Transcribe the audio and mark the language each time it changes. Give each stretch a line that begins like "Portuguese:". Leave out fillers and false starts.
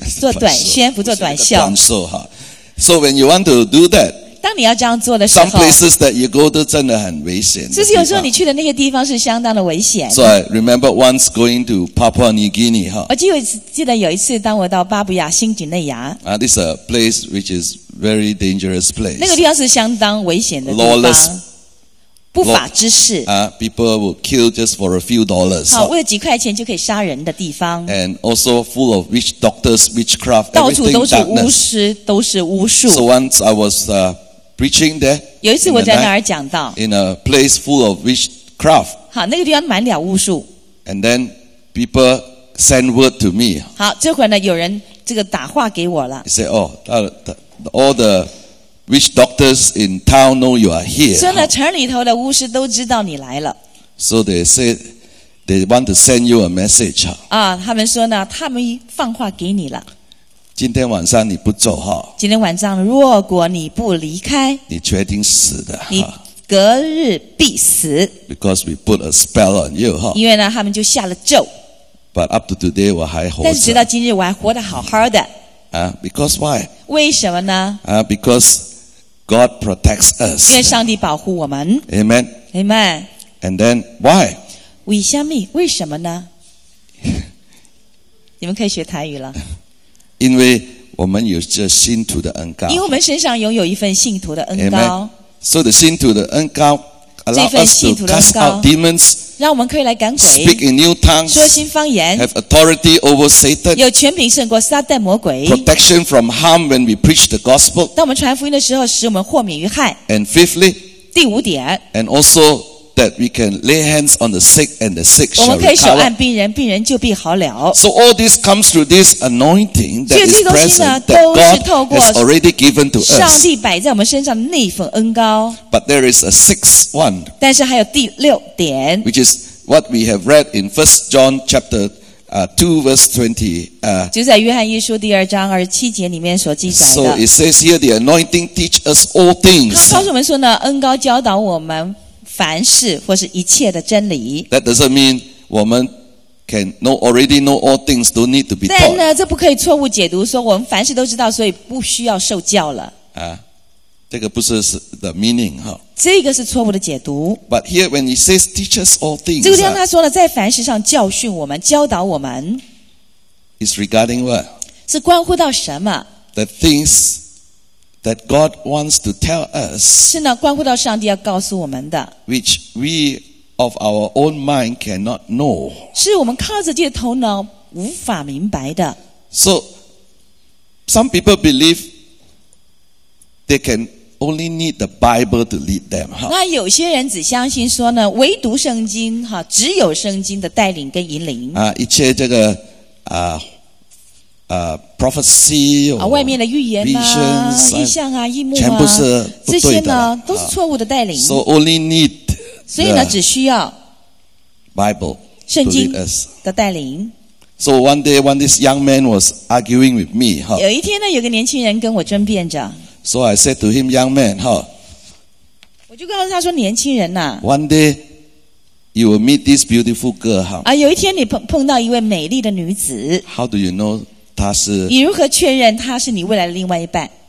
Chinese: 做短宣，不做短袖。短袖哈。
English: So when you want to do that.
Chinese: 当你要这样做的时候
English: ，Some places that you go
Chinese: 都真的很危险。就是有时候你去的那些地方是相当的危险。
English: So I remember once going to Papua New Guinea 哈。
Chinese: 我记得有一次，当我到巴布亚新几内亚。
English: This is a place which is very dangerous place.
Chinese: 那个地方是相当危险的地
English: 方。Lawless,
Chinese: 不法之事。
English: People will kill just for a few dollars.
Chinese: 好，为了几块钱就可以杀人的地方。
English: And also full of witch doctors, witchcraft, everything darkness.
Chinese: 到处都是巫师，都是巫术。
English: So once I was preaching there.
Chinese: 有一次我在那儿讲道。
English: In a place full of witchcraft.
Chinese: 好，那个地方满了巫术。
English: And then people send word to me.
Chinese: 好，这会儿呢，有人这个打话给我了。
English: He said, "Oh, all the witch doctors in town know you are here."
Chinese: 所以呢，城里头的巫师都知道你来了。
English: So they say they want to send you a message.
Chinese: 他们说呢，他们放话给你了。今天晚上你不走哈？今天晚上如果你不离开，你决定死的。你隔日必死。
English: Because we put a spell on you 哈。
Chinese: 因为呢，他们就下了咒。
English: But up to today
Chinese: 我还活着。但是直到今日我还活得好好的。
English: Because why？
Chinese: 为什么呢？
English: Because God protects us。
Chinese: 因为上帝保护我们。
English: Amen。 Amen。 And then why？
Chinese: 为什么？为什么呢？你们可以学台语了。因为我们有这信徒的恩膏，因为我们身上拥有一份信徒的恩膏。
English: Amen. So the
Chinese: 信徒的恩膏
English: allow us to cast out demons，
Chinese: 让我们可以来赶鬼
English: ，speak in new tongues，
Chinese: 说新方言
English: ，have authority over Satan，
Chinese: 有权柄胜过撒旦魔鬼
English: ，protection from harm when we preach the gospel，
Chinese: 当我们传福音的时候，使我们豁免于害。
English: And fifthly，
Chinese: 第五点
English: ，and also that we can lay hands on the sick and the sick shall recover.
Chinese: 我们可以手按病人，病人就必好了。
English: So all this comes through this anointing that is present that God has already given to us.
Chinese: 上帝摆在我们身上那份恩膏。
English: But there is a sixth one.
Chinese: 但是还有第六点。
English: Which is what we have read in 1 John chapter 2 verse 20.
Chinese: 就在约翰一书第二章二十七节里面所记载的。
English: So it says here the anointing teach us all things.
Chinese: 他告诉我们说呢，恩膏教导我们凡事或是一切的真理。
English: That doesn't mean 我们 can know already know all things, don't need to be taught.
Chinese: 但呢，这不可以错误解读，说我们凡事都知道，所以不需要受教了。啊，这个不是是
English: the meaning
Chinese: 哈。这个是错误的解读。
English: But here when he says teaches all things,
Chinese: 这个地方他说了，在凡事上教训我们，教导我们。
English: Is regarding what?
Chinese: 是关乎到什么
English: ？The things that God wants to tell us.
Chinese: 是呢，关乎到上帝要告诉我们的。
English: Which we of our own mind cannot know.
Chinese: 是我们靠着自己的头脑无法明白的。
English: So some people believe they can only need the Bible to lead them.
Chinese: 那有些人只相信说呢，唯独圣经哈，只有圣经的带领跟引领。啊，一切这个。
English: prophecy
Chinese: 啊，外面的预言啊，
English: visions,
Chinese: 意象啊，异梦啊，全部是不对的，这些呢都是错误的带领。
English: So only need
Chinese: 所以呢，只需要
English: Bible
Chinese: 圣经的带领。
English: So one day, when this young man was arguing with me, 哈，
Chinese: 有一天呢，有个年轻人跟我争辩着。
English: So I said to him, young man, 哈，
Chinese: 我就告诉他说，年轻人呐、
English: 啊、，one day。You will meet this beautiful girl, huh?
Chinese: 啊，有一天你碰到一位美丽的女子。
English: How do you know
Chinese: 她是？你如何确认她是你未来的另外一半？